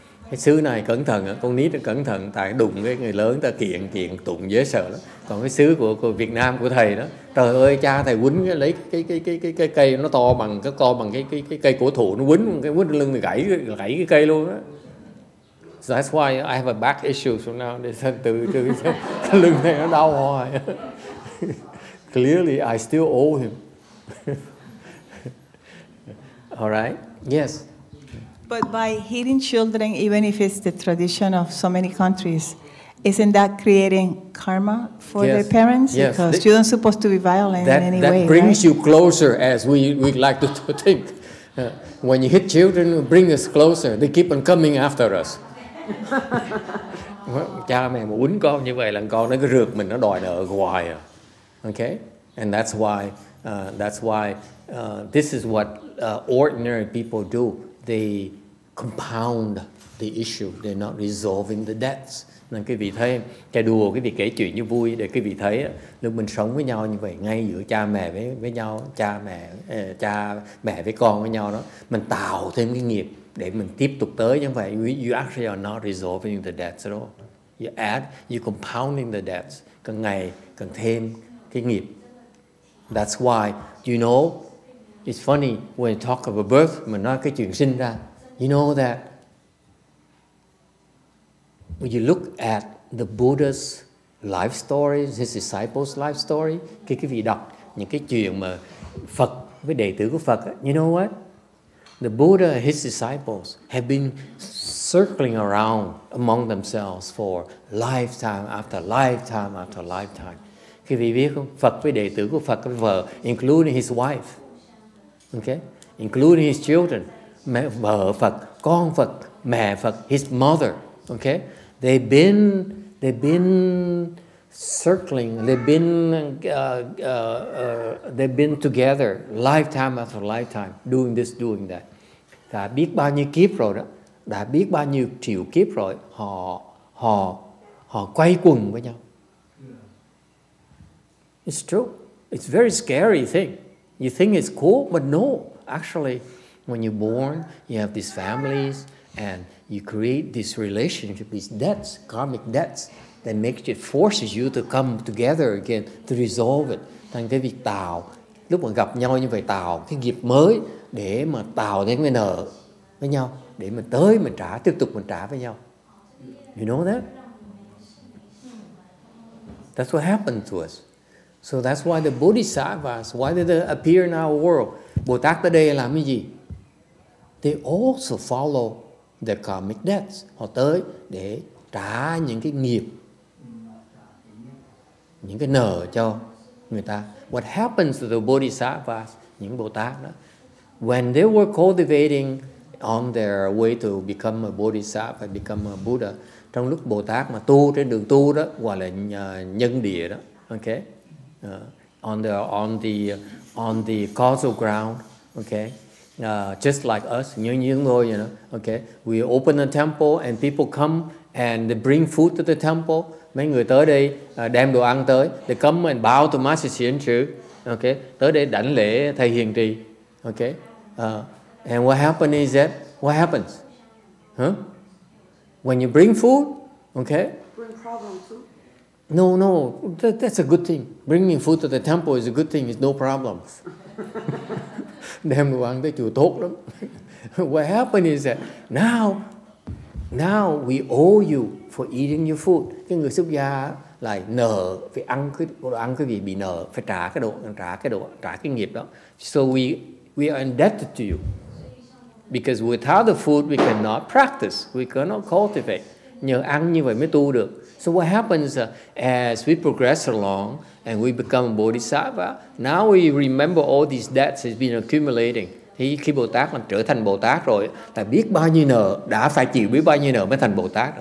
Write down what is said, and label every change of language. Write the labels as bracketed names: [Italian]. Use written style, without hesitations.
[Vietnamese] Cái xứ này cẩn thận, con nít nó cẩn thận, tại đụng với người lớn ta kiện tụng dễ sợ lắm. Còn cái xứ của Việt Nam của thầy đó, trời ơi cha thầy quýnh lấy cái cây nó to bằng cái to bằng cái cây cổ thụ, nó quýnh cái quýnh lưng gãy cái cây luôn đó. [English] So that's why I have a back issue so now. [Vietnamese] Để xem từ cái lưng này nó đau hoài. [English] Clearly I still owe him. All right. Yes. But by hitting children, even if it's the tradition of so many countries, isn't that creating karma for their parents? Yes. Because you're not supposed to be violent that, in any that way. That brings right? you closer, as we like to think. When you hit children, it brings us closer. They keep on coming after us. [Vietnamese] Cha mẹ mà quýnh con như vậy là con nó cứ rượt mình, nó đòi nợ hoài à. [English] Okay? And that's why this is what ordinary people do. They compound the issue. They're not resolving the debts. [Vietnamese] Nên quý vị thấy, cái đùa quý vị kể chuyện như vui để quý vị thấy lúc mình sống với nhau như vậy, ngay giữa cha mẹ với nhau, cha mẹ với con với nhau đó, mình tạo thêm cái nghiệp để mình tiếp tục tới như vậy. [English] You actually are not resolving the debts at all. You're compounding the debts. [Vietnamese] Càng ngày càng thêm cái nghiệp. [English] That's why, you know, it's funny when you talk about birth, [Vietnamese] mà nói cái chuyện sinh ra. [English] You know that when you look at the Buddha's life story, his disciples' life story, [Vietnamese] khi quý vị đọc những cái chuyện mà Phật với đệ tử của Phật, [English] you know what? The Buddha and his disciples have been circling around among themselves for lifetime after lifetime after lifetime. [Vietnamese] Khi quý vị biết không? Phật với đệ tử của Phật với vợ, [English] including his wife, okay, including his children, [Vietnamese] mẹ vợ Phật, con Phật, mẹ Phật, [English] his mother, okay, they've been circling, they've been together lifetime after lifetime, doing this, doing that. [Vietnamese] Đã biết bao nhiêu kiếp rồi đó, đã biết bao nhiêu triệu kiếp rồi, họ quay quần với nhau. [English] It's true. It's a very scary thing. You think it's cool, but no. Actually, when you're born, you have these families, and you create this relationship, these debts, karmic debts, that makes it forces you to come together again to resolve it. [Vietnamese] Thành cái việc tạo, lúc mà gặp nhau như vậy tạo cái nghiệp mới để mà tạo nên cái nợ với nhau, để mà tới mình trả, tiếp tục mình trả với nhau. [English] You know that? That's what happened to us. So that's why the bodhisattvas, why did they appear in our world? [Vietnamese] Bồ Tát ở đây làm cái gì? [English] They also follow the karmic debts. [Vietnamese] Họ tới để trả những cái nghiệp, những cái nợ cho người ta. [English] What happens to the bodhisattvas, [Vietnamese] những Bồ Tát đó, [English] when they were cultivating on their way to become a bodhisattva, become a Buddha, [Vietnamese] trong lúc Bồ Tát mà tu trên đường tu đó, gọi là nhân địa đó, [English] okay? On the causal ground, okay? Just like us, okay? We open a temple and people come and they bring food to the temple. [Vietnamese] Mấy người tới đây đem đồ ăn tới. [English] They come and bow to Master Xuyến Trư, okay? [Vietnamese] Tới đây đảnh lễ thầy Hiền Trì, okay? [English] And what happens is that, what happens? Huh? When you bring food, okay? Bring problem too. No, that's a good thing. Bringing food to the temple is a good thing, it's no problem. [Vietnamese] Đem đồ ăn tới chùa tốt lắm. [English] What happened is that now we owe you for eating your food. [Vietnamese] Cái người xuất gia lại nợ, phải ăn cái gì bị nợ, phải trả cái nghiệp đó. [English] So we are indebted to you. Because without the food, we cannot practice, we cannot cultivate. [Vietnamese] Nhờ ăn như vậy mới tu được. [English] So what happens as we progress along and we become a bodhisattva, now we remember all these debts has been accumulating. [Vietnamese] Thì khi Bồ Tát mà trở thành Bồ Tát rồi, ta biết bao nhiêu nợ, đã phải chịu biết bao nhiêu nợ mới thành Bồ Tát.